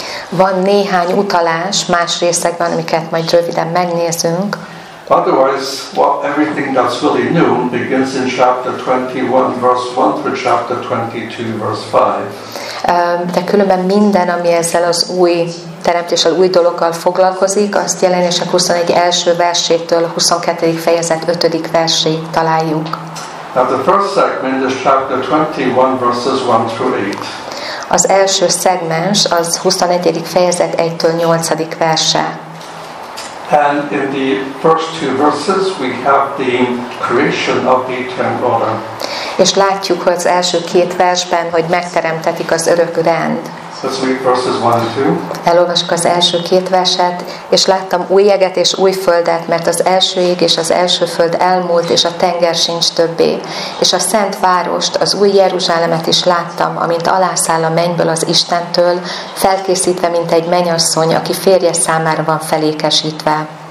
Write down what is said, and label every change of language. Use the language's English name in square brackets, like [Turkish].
[Hungarian] Van néhány utalás más részekben, amiket majd röviden megnézünk. [English] Otherwise, well, everything that's really new begins in chapter 21, verse 1 through chapter 22, verse 5. [Hungarian] De különben minden, ami ezzel az új teremtéssel, új dologgal foglalkozik, azt Jelenések 21 első versétől 22. fejezet 5. verséig találjuk. [English] Now the first segment is chapter 21, verses 1 through 8. [Hungarian] Az első szegmens az 21. fejezet 1-től 8. verse. [English] And in the first two verses we have the creation of the eternal order. [Hungarian] És látjuk, hogy az első két versben, hogy megteremtetik az örök rend. [English] Let's read verses 1 and 2. [Hungarian] Elolvasok az első két verset, és láttam új jeget és új földet, mert az első ég és az első föld elmúlt, és a tenger sincs többé. És a szent várost, az új Jeruzsálemet is láttam, amint alászáll a mennyből az Istentől, felkészítve, mint egy mennyasszony, aki férje számára van felékesítve.